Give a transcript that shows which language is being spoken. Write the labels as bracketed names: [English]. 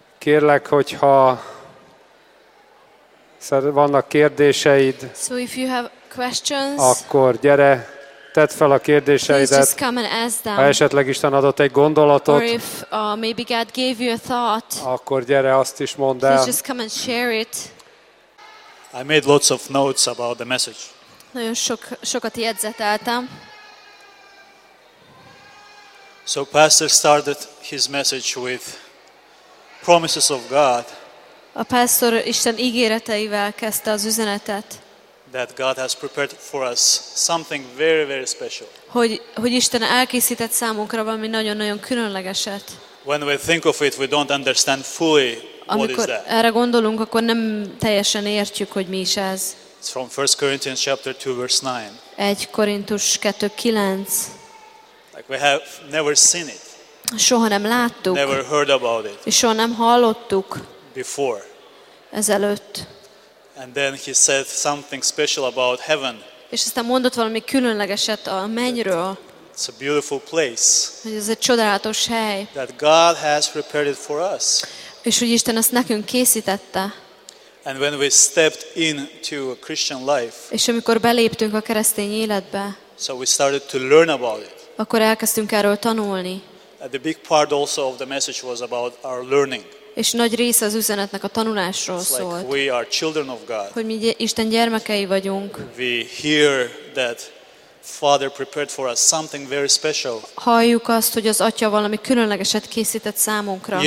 [Hungarian] Kérlek, hogyha vannak kérdéseid, [English] so if you have questions, [Hungarian] akkor gyere, tedd fel a kérdéseidet, ha esetleg Isten adott egy gondolatot, [English] or if, maybe God gave you a thought, [Hungarian] akkor gyere, azt is mondd el. [English] Just come and share it. I made lots of notes about the message. [Hungarian] Nagyon sokat jegyzeteltem. [English] So pastor started his message with promises of God. [Hungarian] A pastor Isten ígéreteivel kezdte az üzenetet. [English] That God has prepared for us something very very special. [Hungarian] Hogy Isten elkészített számunkra valami nagyon-nagyon különlegeset. [English] When we think of it, we don't understand fully what [Hungarian] Amikor [English] is that. [Hungarian] Erre gondolunk, akkor nem teljesen értjük, hogy mi is ez. [English] It's from 1 Corinthians chapter 2 verse 9. [Hungarian] 1 Korintus 2:9. [English] Like we have never seen it. [Hungarian] Soha nem láttuk. [English] Never heard about it. [Hungarian] És soha nem hallottuk. [English] Before. [Hungarian] Ezelőtt. [English] And then he said something special about heaven. [Hungarian] És aztán mondott valami különlegeset a mennyről. [English] It's a beautiful place. [Hungarian] Ez egy csodálatos hely. [English] That God has prepared it for us. [Hungarian] És hogy Isten ezt nekünk készítette. [English] And when we stepped into a Christian life. [Hungarian] És amikor beléptünk a keresztény életbe. [English] So we started to learn about it. [Hungarian] Akkor elkezdtünk erről tanulni. [English] The big part also of the message was about our learning. [Hungarian] És nagy része az üzenetnek a tanulásról [English] like [Hungarian] szólt. [English] We are children of God. [Hungarian] Hogy mi Isten gyermekei vagyunk. [English] We hear that Father prepared for us something very special. [Hungarian] Halljuk azt, hogy az Atya valami különlegeset készített számunkra.